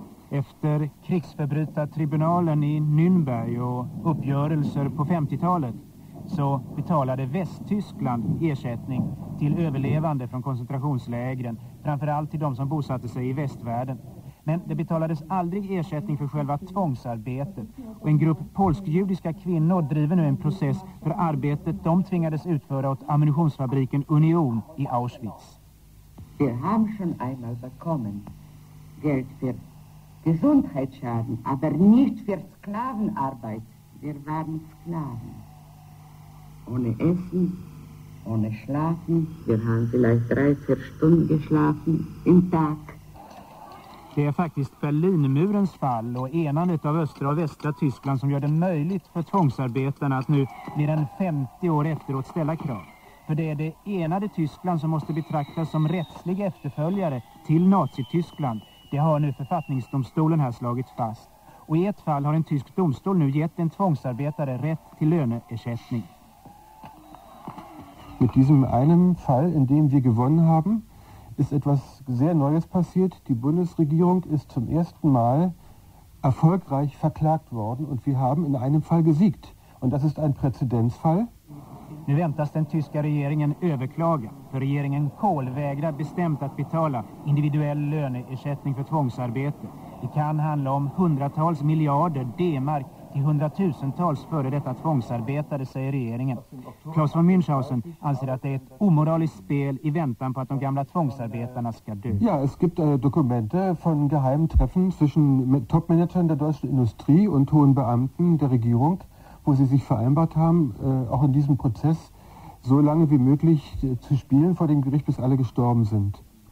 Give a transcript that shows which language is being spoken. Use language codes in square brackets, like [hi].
[sv] Efter krigsförbrytartribunalen i Nürnberg och uppgörelser på 50-talet så betalade Västtyskland ersättning till överlevande från koncentrationslägren, framförallt till de som bosatte sig i västvärlden. Men det betalades aldrig ersättning för själva tvångsarbetet. Och en grupp polsk-judiska kvinnor driver nu en process för arbetet de tvingades utföra åt ammunitionsfabriken Union i Auschwitz. [de] Vi har schon einmal bekommen Geld für Gesundheitsschaden, aber nicht für Sklavenarbeit. Wir waren Sklaven. Ohne Essen, ohne Schlafen. Wir haben vielleicht 3-4 Stunden geschlafen im Tag. [sv] Det är faktiskt Berlinmurens fall och enandet av östra och västra Tyskland som gör det möjligt för tvångsarbetarna att nu mer än 50 år efteråt ställa krav. För det är det enade Tyskland som måste betraktas som rättslig efterföljare till Nazityskland. Det har nu författningsdomstolen här slagit fast. Och i ett fall har en tysk domstol nu gett en tvångsarbetare rätt till löneersättning. [de] Med diesem einen fall in dem vi gewonnen haben, ist etwas sehr Neues passiert. Die Bundesregierung ist zum ersten Mal erfolgreich verklagt worden und wir haben in einem Fall gesiegt. Und das ist ein Präzedenzfall. [sv] Nu väntas den tyska regeringen överklaga, för regeringen Kohl vägrar bestämt att betala individuell löneersättning för tvångsarbete. Det kan handla om hundratals miljarder D-mark till hundratusentals före detta tvångsarbetare, säger regeringen. Klaus von Münchhausen anser att det är ett omoraliskt spel i väntan på att de gamla tvångsarbetarna ska dö. [de] Ja, es gibt Dokumente von geheimen Treffen zwischen Topmanagern der deutschen Industrie und hohen Beamten der Regierung, wo sie sich vereinbart haben, auch in diesem Prozess so lange wie möglich zu spielen vor dem Gericht, bis alle gestorben sind.